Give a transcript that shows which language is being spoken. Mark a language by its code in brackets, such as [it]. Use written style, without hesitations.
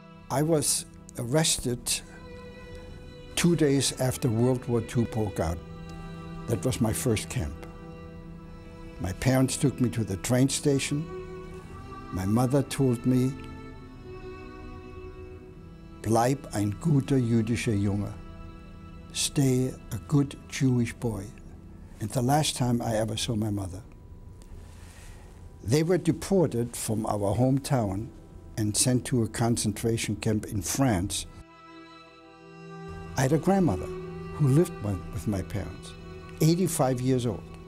[en] I was arrested 2 days after World War II broke out. That was my first camp. My parents took me to the train station. [de] My mother told me, "Bleib ein guter jüdischer Junge. [en] Stay a good Jewish boy." And the last time I ever saw my mother. They were deported from our hometown and sent to a concentration camp in France. I had a grandmother who lived with my parents, 85 years old.